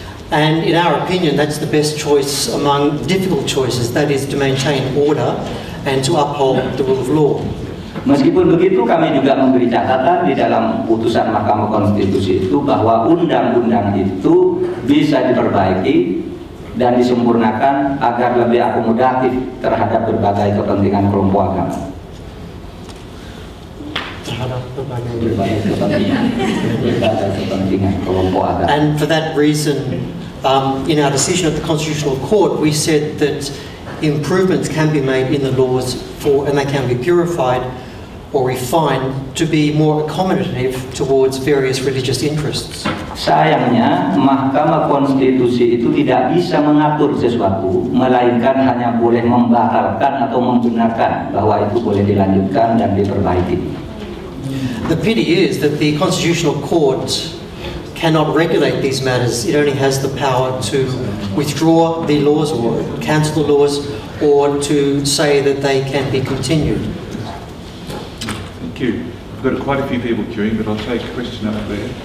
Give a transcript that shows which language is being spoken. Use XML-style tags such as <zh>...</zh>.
<en>And in our opinion, that's the best choice among difficult choices. That is to maintain order and to uphold the rule of law.</en> <id>Meskipun begitu, kami juga memberi catatan di dalam putusan Mahkamah Konstitusi itu bahwa undang-undang itu bisa diperbaiki dan disempurnakan agar lebih akomodatif terhadap berbagai kepentingan kelompok agama.</id> <en>And for that reason, in our decision at the Constitutional Court, we said that improvements can be made in the laws for, and they can be purified or refined to be more accommodative towards various religious interests.</en> <id>Sayangnya, Mahkamah Konstitusi itu tidak bisa mengatur sesuatu, melainkan hanya boleh membatalkan atau membenarkan bahwa itu boleh dilanjutkan dan diperbaiki.</id> <en>The pity is that the Constitutional Court cannot regulate these matters. It only has the power to withdraw the laws or cancel the laws or to say that they can be continued. Thank you. I've got quite a few people queuing, but I'll take a question up there.</en>